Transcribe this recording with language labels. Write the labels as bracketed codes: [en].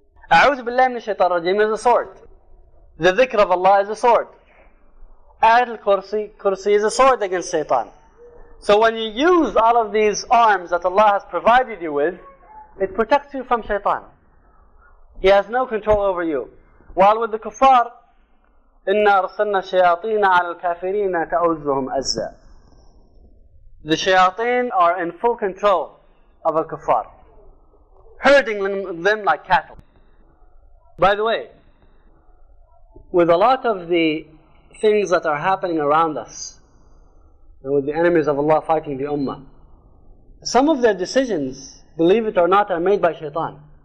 [ar] A'udhu billahi minash shaitanir rajim [en] is a sword. The dhikr of Allah is a sword. Ayat al-Kursi is a sword against shaitan. So when you use all of these arms that Allah has provided you with, it protects you from shaitan. He has no control over you. While with the kuffar, [ar] إِنَّا رَسَلْنَا الشَّيَاطِينَ عَلَى الْكَافِرِينَ تَأُزُّهُمْ أَزَّا. [en] The shayateen are in full control of al-kuffar, herding them like cattle. By the way, with a lot of the things that are happening around us, and with the enemies of Allah fighting the ummah, some of their decisions, believe it or not, are made by shaitan.